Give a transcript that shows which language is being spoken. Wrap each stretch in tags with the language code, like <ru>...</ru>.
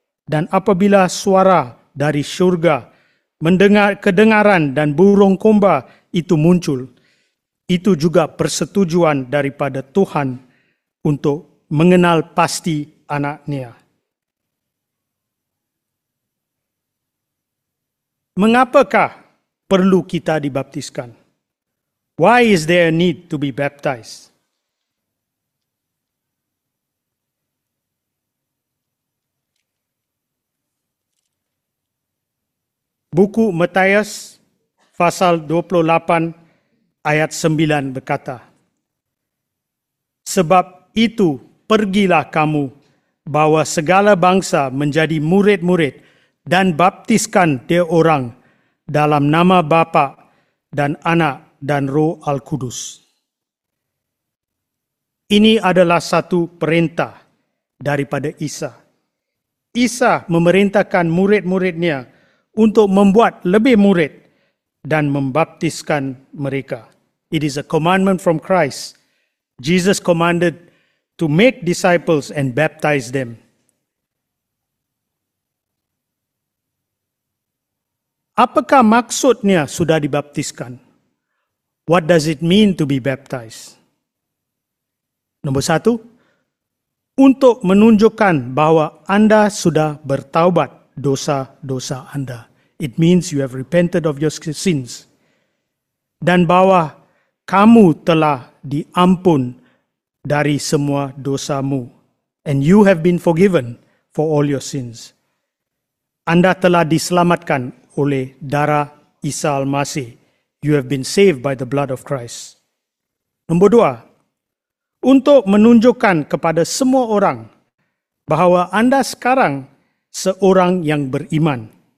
<ms>Dan apabila suara dari syurga mendengar kedengaran dan burung kumba itu muncul, itu juga persetujuan daripada Tuhan untuk mengenal pasti anaknya. Mengapakah perlu kita dibaptiskan?</ms> <en>Why is there a need to be baptized?</en> <ms>Buku Matius pasal 28 ayat 9 berkata, sebab itu pergilah kamu, bawa segala bangsa menjadi murid-murid dan baptiskan dia orang dalam nama Bapa dan Anak dan Roh Al-Kudus. Ini adalah satu perintah daripada Isa. Isa memerintahkan murid-muridnya untuk membuat lebih murid dan membaptiskan mereka.</ms> <en>It is a commandment from Christ. Jesus commanded to make disciples and baptize them.</en> <ms>Apakah maksudnya sudah dibaptiskan?</ms> <en>What does it mean to be baptized?</en> <ms>Nomor satu, untuk menunjukkan bahwa Anda sudah bertaubat dosa-dosa Anda.</ms> <en>It means you have repented of your sins.</en> <ms>Dan bahwa kamu telah diampun dari semua dosamu.</ms> <en>And you have been forgiven for all your sins.</en> <ms>Anda telah diselamatkan oleh darah Isa Al-Masih.</ms> <en>You have been saved by the blood of Christ.</en> <ms>Nomor dua, untuk menunjukkan kepada semua orang bahwa Anda sekarang seorang yang beriman.</ms>